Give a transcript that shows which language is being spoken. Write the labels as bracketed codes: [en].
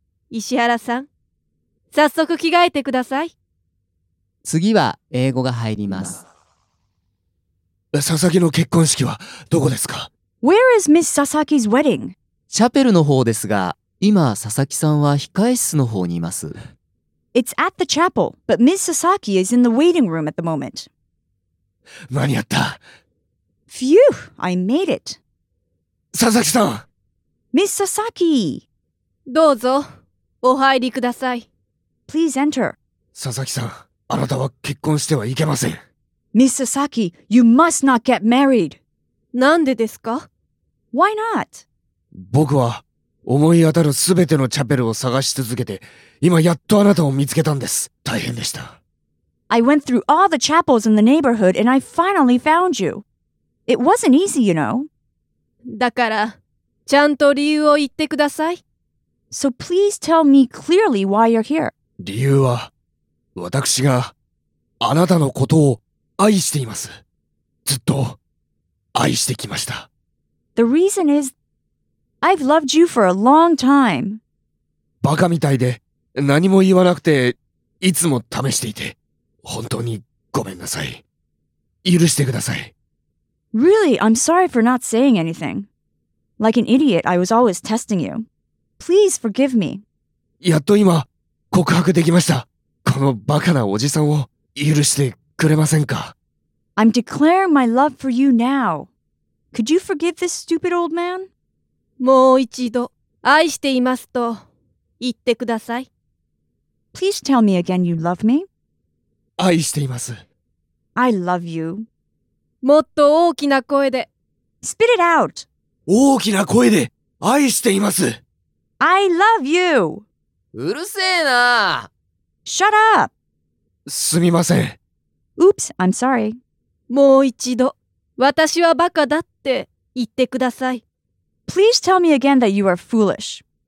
[ja] 石原さん、早速着替えてください。次は英語が入ります。佐々木の結婚式はどこですか？ [en] Where is Miss Sasaki's wedding? [ja] チャペルの方ですが、今佐々木さんは控え室の方にいます。 [en] It's at the chapel, but Miss Sasaki is in the waiting room at the moment. [ja] 間に合った。 [en] Phew, I made it. [ja] 佐々木さん。 [en] Miss Sasaki. [ja] どうぞ、お入りください。 [en] Please enter. [ja] 佐々木さん、あなたは結婚してはいけません。 [en] Miss Sasaki, you must not get married. [ja] なんでですか? [en] Why not? [ja] 僕は思い当たるすべてのチャペルを探し続けて、今やっとあなたを見つけたんです。大変でした。 [en] I went through all the chapels in the neighborhood and I finally found you. It wasn't easy, you know. [ja] だからちゃんと理由を言ってください。 [en] So please tell me clearly why you're here. [ja] 理由は、私があなたのことを愛しています。ずっと愛してきました。 [en] The reason isI've loved you for a long time. [ja] バカみたいで何も言わなくて、いつも試していて、本当にごめんなさい。許してください。 [en] Really, I'm sorry for not saying anything. Like an idiot, I was always testing you. Please forgive me. [ja] やっと今告白できました。このバカなおじさんを許してくれませんか? [en] I'm declaring my love for you now. Could you forgive this stupid old man? [ja] もう一度、愛していますと言ってください。 [en] Please tell me again you love me. [ja] 愛しています。 [en] I love you. [ja] もっと大きな声で。 [en] Spit it out! [ja] 大きな声で愛しています。 [en] I love you! [ja] うるせえな。 [en] Shut up! [ja] すみません。 [en] Oops, I'm sorry. [ja] もう一度、私はバカだって言ってください。 [en] Please tell me again that you are foolish.